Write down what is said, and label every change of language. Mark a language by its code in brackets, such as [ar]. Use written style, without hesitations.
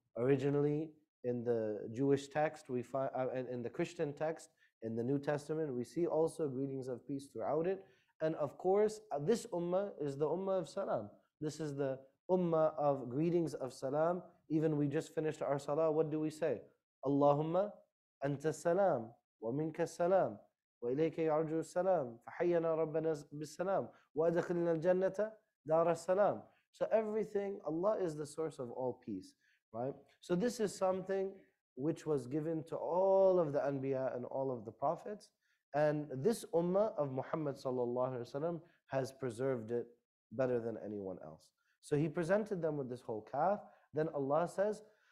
[en] Originally, in the Jewish text, we find in the Christian text, in the New Testament, we see also greetings of peace throughout it. And of course, this ummah is the ummah of salam. This is the ummah of greetings of salam. Even we just finished our salah, what do we say? [ar] Allahumma anta salam, wa minka salam. وإليك يرجع السلام فحينا ربنا بالسلام وأدخلنا الجنة دار السلام. [en] So everything, Allah is the source of all peace, right? So this is something which was given to all of the anbiya and all of the prophets, and this ummah of Muhammad sallallahu alaihi wasallam has preserved it better than anyone else. So he presented them with this whole calf. Then Allah says,